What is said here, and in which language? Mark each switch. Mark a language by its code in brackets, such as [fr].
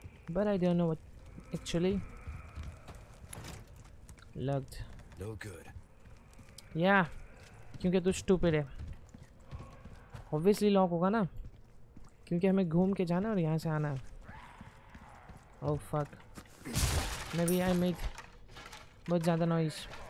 [en] But I don't know what actually. Lugged. No good. [hi] Yeah, क्योंकि तू stupid है. Obviously lock होगा ना, क्योंकि हमें घूम के जाना है और यहाँ से आना है. [en] Oh fuck. Maybe I make much other noise.